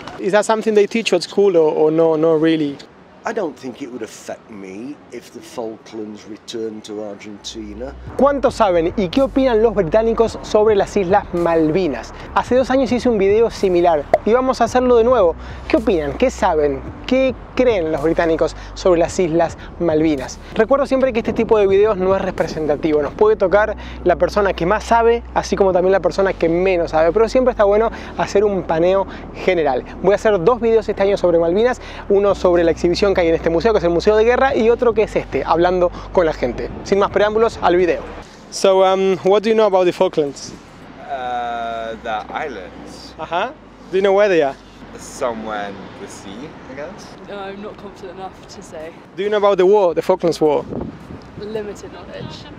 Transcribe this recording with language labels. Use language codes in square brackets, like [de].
[en] Is that something they teach at school or no, not really? I don't think it would affect me if the Falklands returned to Argentina. [es] ¿Cuánto saben y qué opinan los británicos sobre las Islas Malvinas? Hace dos años hice un video similar y vamos a hacerlo de nuevo. ¿Qué opinan? ¿Qué saben? ¿Qué creen los británicos sobre las Islas Malvinas? Recuerdo siempre que este tipo de videos no es representativo. Nos puede tocar la persona que más sabe, así como también la persona que menos sabe. Pero siempre está bueno hacer un paneo general. Voy a hacer dos videos este año sobre Malvinas. Uno sobre la exhibición que hay en este museo, que es el Museo de Guerra, y otro que es este, hablando con la gente. Sin más preámbulos, al video. [en] So, what do you know about the Falklands? The islands. Uh-huh. Do you know where they are? Somewhere in the sea, I guess. No, I'm not confident enough to say. Do you know about the war, the Falklands War? Limited knowledge.